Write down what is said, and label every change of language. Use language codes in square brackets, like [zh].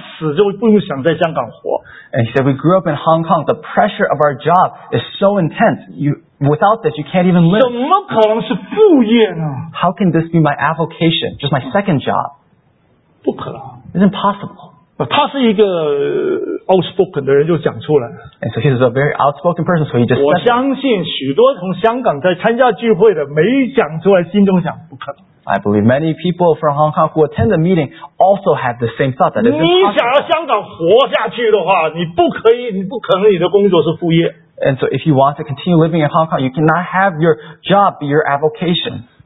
[zh] 他说,我们在香港生活,工作这些压,不压死,就不用想在香港活。 [en] And he said, we grew up in Hong Kong, the pressure of our job is so intense. Without this, you can't even live. [zh] 怎么可能是副业呢? [en] How can this be my avocation? Just my second job? [zh] 不可能。 [en] It's impossible. [zh] 他是一个 outspoken的人就讲出来。 [en] And so he's a very outspoken person, so he just [zh] 我相信许多从香港在参加聚会的没讲出来心中想不可能。 [en] I believe many people from Hong Kong who attend the meeting also have the same thought that it's impossible. [zh] 你想要香港活下去的话,你不可以,你不可能你的工作是副业。 [en] And so if you want to continue living in Hong Kong, you cannot have your job be your avocation.